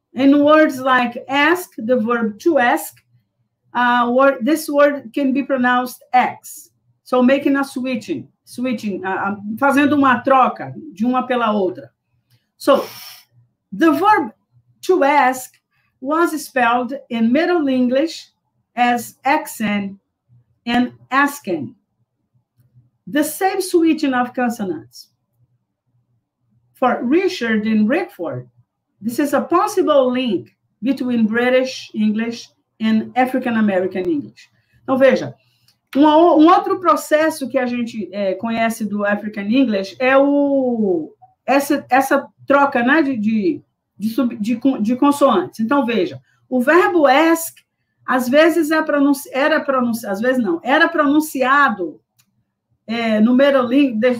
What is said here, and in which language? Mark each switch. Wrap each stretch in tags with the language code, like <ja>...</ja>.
<en>In words like ask, the verb to ask, this word can be pronounced X. So, making a switching.</en> <pt>Switching, fazendo uma troca de uma pela outra.</pt> <en>So, the verb to ask was spelled in Middle English as axen and asken. The same switching of consonants. For Richard and Rickford, this is a possible link between British English and African American English.</en> <pt>Então, veja. Um outro processo que a gente conhece do African English é essa troca, né, de consoantes. Então, veja, o verbo ask, às vezes era pronunciado no Middle English.</pt>